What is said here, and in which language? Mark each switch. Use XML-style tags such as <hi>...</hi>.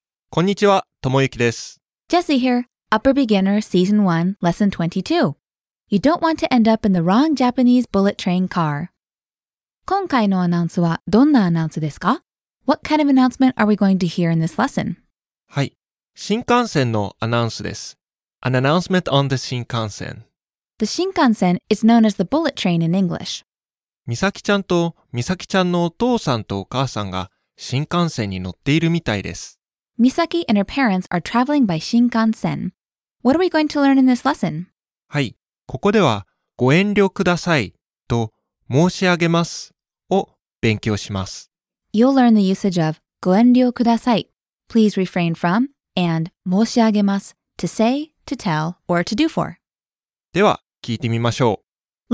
<ja>こんにちは、ともゆきです。</ja> <en>Jesse here, Upper Beginner Season 1, Lesson 22. You don't want to end up in the wrong Japanese bullet train car.</en> <ja>今回のアナウンスはどんなアナウンスですか?</ja> <en>What kind of announcement are we going to hear in this lesson?</en> <ja>はい、新幹線のアナウンスです。</ja> <en>An announcement on the 新幹線。 The 新幹線 is known as the bullet train in English.</en> <ja>みさきちゃんとみさきちゃんのお父さんとお母さんが新幹線に乗っているみたいです。</ja> <en>Misaki and her parents are traveling by Shinkansen. What are we going to learn in this lesson?</en> <ja>はい、ここではご遠慮くださいと申し上げますを勉強します。</ja> <en>You'll learn the usage of ご遠慮ください please refrain from and 申し上げます to say, to tell, or to do for.</en> <ja>では聞いてみましょう。</ja>